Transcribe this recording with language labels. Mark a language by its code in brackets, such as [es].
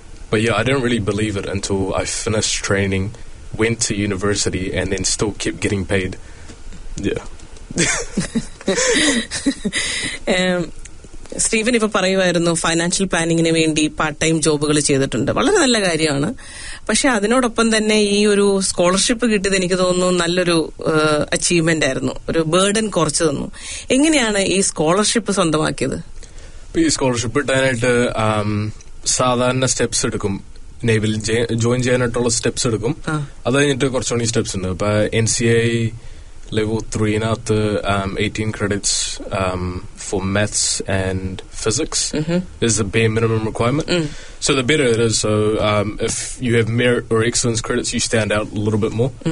[en] But yeah, I didn't really believe it until I finished training, went to university, and then still kept getting paid. Yeah. [ml] Steven ഇപ്പൊ പറയുമായിരുന്നു financial പ്ലാനിങ്ങിന് വേണ്ടി part time ജോബുകൾ ചെയ്തിട്ടുണ്ട്. വളരെ നല്ല കാര്യമാണ്. പക്ഷെ അതിനോടൊപ്പം തന്നെ ഈ ഒരു സ്കോളർഷിപ്പ് കിട്ടിയത് എനിക്ക് തോന്നുന്നു നല്ലൊരു അച്ചീവ്മെന്റ് ആയിരുന്നു, ഒരു ബേർഡൻ കുറച്ചു തന്നു. എങ്ങനെയാണ് ഈ സ്കോളർഷിപ്പ് സ്വന്തമാക്കിയത്? ഈ സ്കോളർഷിപ്പ് കിട്ടാനായിട്ട് സാധാരണ സ്റ്റെപ്സ് എടുക്കും, നേവിൽ ജോയിൻ ചെയ്യാനായിട്ടുള്ള സ്റ്റെപ്സ് എടുക്കും. അത് കഴിഞ്ഞിട്ട് കുറച്ചുകൂടി സ്റ്റെപ്സ് ഉണ്ട്. ഇപ്പൊ N C I level 3-നകത്ത് [en] 18 credits for maths and physics is the bare minimum requirement. So the better it is, so if you have merit or excellence credits, you stand out a little bit more.